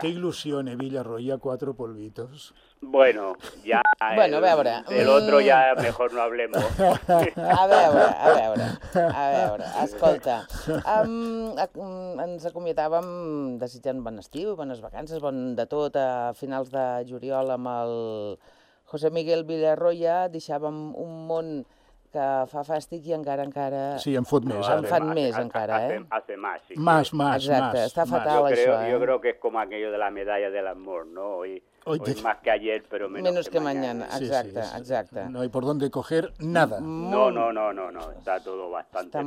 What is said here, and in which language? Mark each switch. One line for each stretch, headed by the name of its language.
Spanish: Qué ilusión, Villarroya, cuatro polvitos. Bueno, ya... Bueno, ve ahora. El otro ya mejor no hablemos.
Catalan: A veure. Escolta, ens acomiadàvem desitjant bon estiu, bones vacances, bon de tot, a finals de juliol amb el José Miguel Villarroya, deixàvem un món que fa fàstic i encara... Sí, en fot més. En fan més, encara, eh?
Spanish: Hace más, sí. Más.
Catalan: Exacte, està fatal, això.
Spanish: Yo creo que es como aquello de la medalla de l'amor, ¿no? Hoy más que ayer, pero menos que mañana. Exacte. No hay por dónde coger nada. No. Está todo bastante peor.